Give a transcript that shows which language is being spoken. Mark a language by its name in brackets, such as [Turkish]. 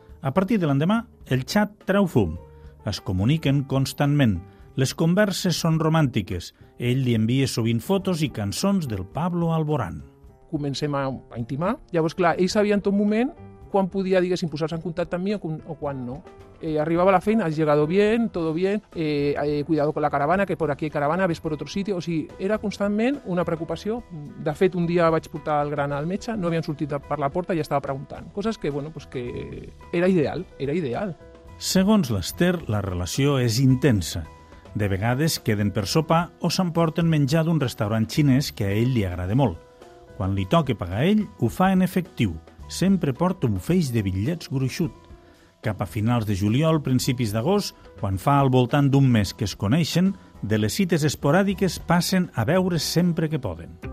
[Catalan] A partir de l'endemà, el xat treu fum. Es comuniquen constantment. Les converses són romàntiques. Ell li envia sovint fotos i cançons del Pablo Alborán. Comencem a intimar. Llavors, clar, ell sabia en tot moment quan podia, diguéssim, posar-se en contacte amb mi o quan no. Arribava a la feina, [Spanish] has llegado bien, todo bien, cuidado con la caravana, que por aquí hay caravana, ves por otro sitio. [Catalan] O sigui, era constantment una preocupació. De fet, un dia vaig portar el gran al metge, no havien sortit per la porta i estava preguntant. Coses que, bueno, pues que era ideal. Segons l'Esther, la relació és intensa. De vegades queden per sopar o s'emporten menjar d'un restaurant xinès que a ell li agrada molt. Quan li toca pagar a ell, ho fa en efectiu. Sempre porta un feix de bitllets gruixut. Cap a finals de juliol, principis d'agost, quan fa al voltant d'un mes que es coneixen, de les cites esporàdiques passen a veure sempre que poden.